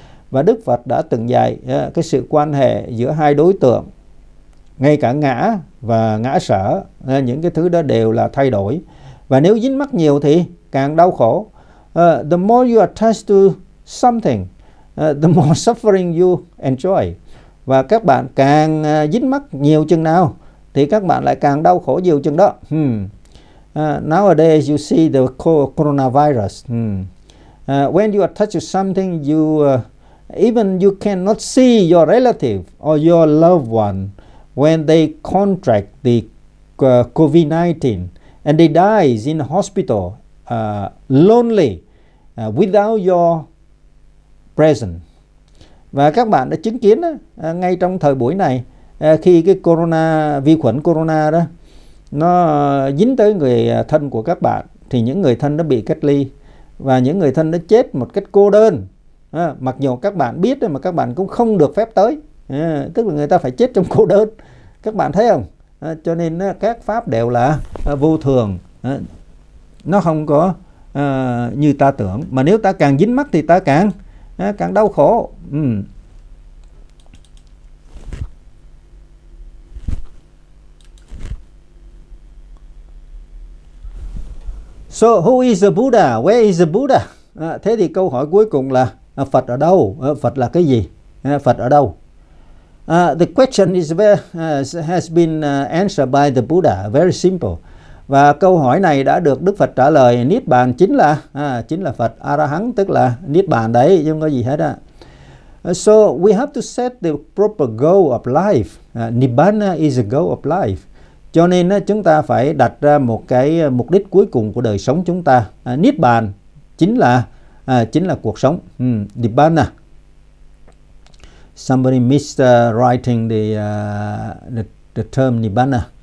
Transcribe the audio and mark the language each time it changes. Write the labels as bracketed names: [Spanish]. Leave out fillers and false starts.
[Vietnamese] Và Đức Phật đã từng dạy cái sự quan hệ giữa hai đối tượng, ngay cả ngã và ngã sở, những cái thứ đó đều là thay đổi. Và nếu dính mắc nhiều thì càng đau khổ. [English] The more you attach to something, the more suffering you enjoy. [Vietnamese] Và các bạn càng dính mắc nhiều chừng nào thì các bạn lại càng đau khổ nhiều chừng đó. [English] Nowadays you see the coronavirus. When you attach to something, even you cannot see your relative or your loved one when they contract the COVID-19 and they dies in hospital lonely without your presence. [Vietnamese] Và các bạn đã chứng kiến ngay trong thời buổi này khi cái corona vi khuẩn corona đó nó dính tới người thân của các bạn thì những người thân đã bị cách ly và những người thân đã chết một cách cô đơn. Mặc dù các bạn biết mà các bạn cũng không được phép tới, tức là người ta phải chết trong cô đơn. Các bạn thấy không? Cho nên các pháp đều là vô thường, nó không có như ta tưởng. Mà nếu ta càng dính mắc thì ta càng càng đau khổ. [English] So who is the Buddha? [Vietnamese] Where is the Buddha? Thế thì câu hỏi cuối cùng là Phật ở đâu? Phật là cái gì? Phật ở đâu? [English] The question is has been answered by the Buddha. Very simple. [Vietnamese] Và câu hỏi này đã được Đức Phật trả lời. Niết bàn chính là Phật Arahant, tức là Niết bàn đấy, chứ không có gì hết á. [English] So we have to set the proper goal of life. Nibbana is the goal of life. [Vietnamese] Cho nên chúng ta phải đặt ra một cái mục đích cuối cùng của đời sống chúng ta. Niết bàn chính là cuộc sống. Nibbana. [English] Somebody missed writing the term Nibbana.